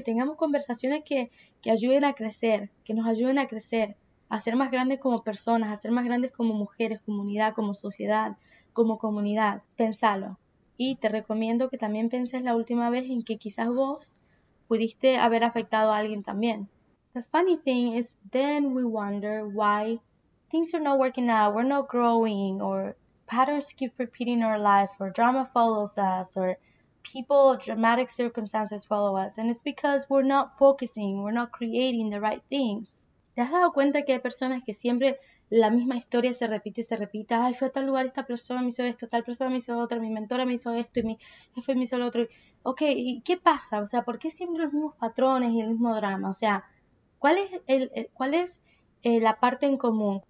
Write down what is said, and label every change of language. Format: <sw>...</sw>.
<es>Que tengamos conversaciones que ayuden a crecer, que nos ayuden a crecer, a ser más grandes como personas, a ser más grandes como mujeres, comunidad, como sociedad, como comunidad. Pensalo. Y te recomiendo que también pienses la última vez en que quizás vos pudiste haber afectado a alguien también.</es> <en>The funny thing is, then we wonder why things are not working out, we're not growing, or patterns keep repeating in our life, or drama follows us, or people, dramatic circumstances follow us, and it's because we're not focusing, we're not creating the right things.</en> <es>¿Te has dado cuenta que hay personas que siempre la misma historia se repite y se repite? Ay, fue a tal lugar, esta persona me hizo esto, tal persona me hizo otro, mi mentora me hizo esto y mi jefe me hizo lo otro. Ok, ¿y qué pasa? O sea, ¿por qué siempre los mismos patrones y el mismo drama? O sea, ¿cuál es la parte en común?</es>